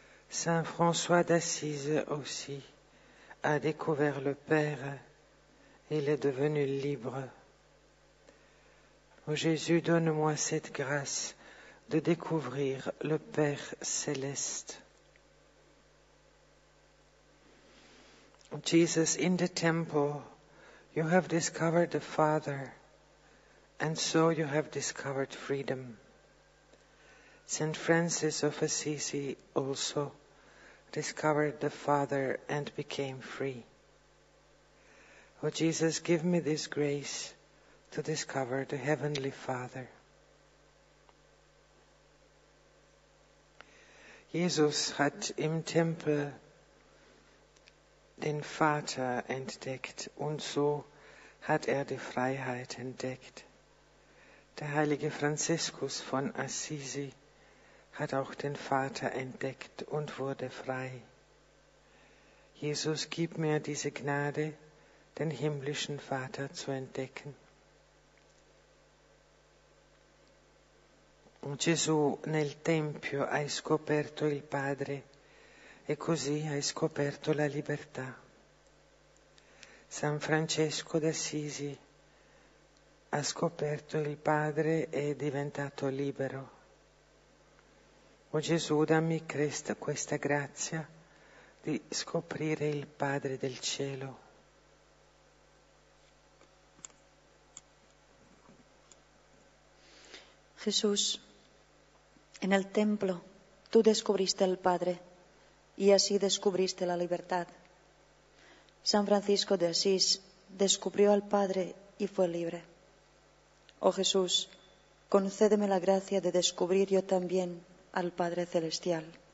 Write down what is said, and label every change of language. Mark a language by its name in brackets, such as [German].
[French] Saint François d'Assise aussi a découvert le Père, et il est devenu libre. Ô Jésus, donne-moi cette grâce de découvrir le Père céleste. [English] Jesus, in the temple, you have discovered the Father, and so you have discovered freedom. Saint Francis of Assisi also discovered the Father and became free. O Jesus, give me this grace to discover the Heavenly Father. [German] Jesus hat im Tempel den Vater entdeckt und so hat die Freiheit entdeckt. Der heilige Franziskus von Assisi hat auch den Vater entdeckt und wurde frei. Jesus, gib mir diese Gnade, den himmlischen Vater zu entdecken. Und [Italian] Gesù nel Tempio hai scoperto il Padre e così hai scoperto la libertà. San Francesco d'Assisi ha scoperto il Padre e è diventato libero. O Gesù, dammi questa grazia di scoprire il Padre del Cielo. Gesù, nel Tempio tu [Spanish] descubriste [Italian] il Padre e così descubriste la libertà. [Spanish] San Francisco de Asís descubrió al Padre y fue libre. Oh Jesús, concédeme la gracia de descubrir yo también al Padre Celestial.